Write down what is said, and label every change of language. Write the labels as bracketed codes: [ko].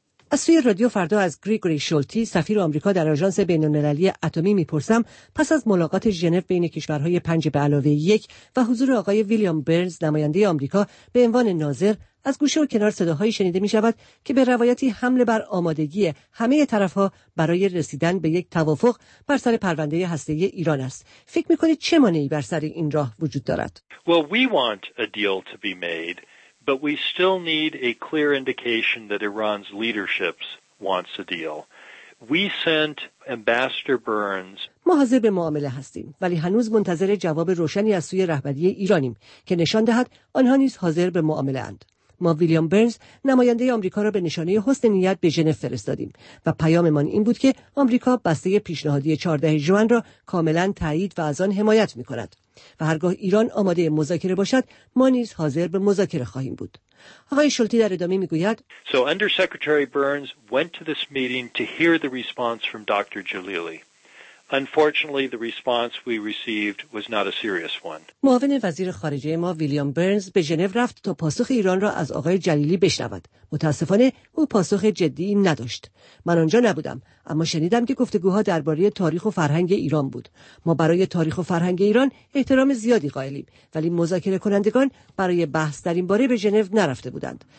[fa] از سوی رادیو فردا از گریگوری شولتی، سفیر آمریکا در آژانس بین‌المللی اتمی، میپرسم پس از ملاقات ژنو بین کشورهای 5 به علاوه 1 و حضور آقای ویلیام برنز نماینده آمریکا به عنوان ناظر، از گوشه و کنار صداهایی شنیده میشود که به روایتی حمله بر آمادگی همه طرفها برای رسیدن به یک توافق بر سر پرونده هسته‌ای ایران است. فکر میکنید چه مانعی بر سر این راه وجود دارد؟ [en] But we still need a clear indication that Iran's leadership wants a deal. We sent Ambassador Burns. [fa] ما حاضر به معامله هستیم، ولی هنوز منتظر جواب روشنی از سوی رهبری ایرانیم که نشان دهد آنها نیز حاضر به معامله اند. ما ویلیام برنز نماینده آمریکا را به نشانه حسن نیت به ژنو فرستادیم و پیاممان این بود که آمریکا بسته پیشنهادی 14 ژوئن را کاملا تایید و از آن حمایت می‌کند و هرگاه ایران آماده مذاکره باشد، ما نیز حاضر به مذاکره خواهیم بود. آقای شولتی در ادامه می‌گوید: [en] So under Secretary Burns went to this meeting to hear the response from Dr. Jalili. Unfortunately, the response we received was not a serious one. [fa] معاون وزیر خارجه ما ویلیام برنز به ژنو رفت تا پاسخ ایران را از آقای جلیلی بشنود. متاسفانه او پاسخ جدی نداشت. من آنجا نبودم، اما شنیدم که گفتگوها درباره تاریخ و فرهنگ ایران بود. ما برای تاریخ و فرهنگ ایران احترام زیادی قائلیم، ولی مذاکره کنندگان برای بحث در این باره به ژنو نرفته بودند.